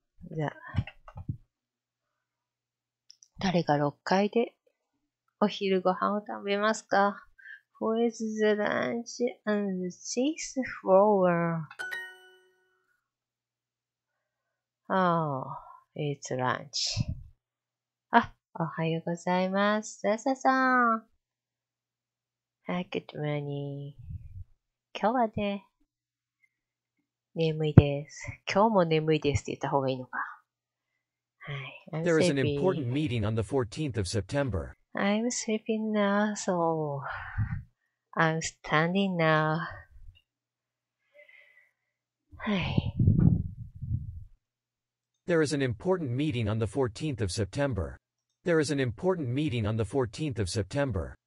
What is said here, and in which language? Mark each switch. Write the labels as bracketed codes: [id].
[en] The [ja] 誰が6階でお昼ご飯を食べますか? [en] Who is the lunch on the 6th floor? Oh, it's lunch. [ja] あ、おはようございます。 [en] ササさん。Hi, good morning. [ja] 今日はね、眠いです。今日も眠いですって言った方がいいのか。 [en] There is an important meeting on the 14th of September. I'm sleeping now, so I'm standing now. There is an important meeting on the 14th of September. There is an important meeting on the 14th of September.